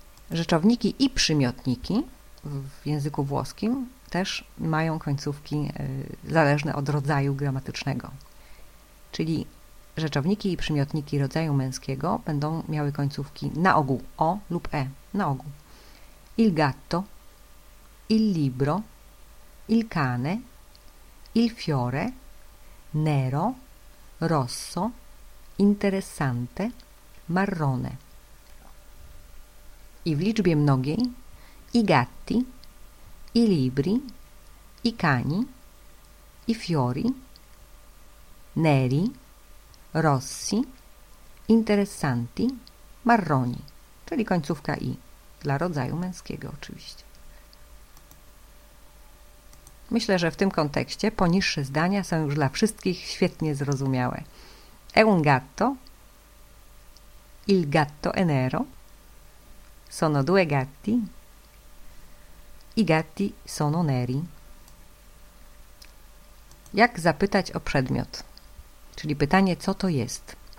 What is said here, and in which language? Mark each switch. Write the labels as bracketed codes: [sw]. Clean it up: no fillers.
[pl] Rzeczowniki i przymiotniki w języku włoskim też mają końcówki zależne od rodzaju gramatycznego. Czyli rzeczowniki i przymiotniki rodzaju męskiego będą miały końcówki na ogół o lub e, na ogół. [it] Il gatto, il libro, il cane, il fiore, nero, rosso, interessante, marrone. [pl] I w liczbie mnogiej [it] i gatti, i libri, i cani, i fiori, neri, rossi, interessanti, marroni, [pl] czyli końcówka i dla rodzaju męskiego oczywiście. Myślę, że w tym kontekście poniższe zdania są już dla wszystkich świetnie zrozumiałe. [it] È un gatto, il gatto è nero, sono due gatti, i gatti sono neri. [pl] Jak zapytać o przedmiot? Czyli pytanie, co to jest?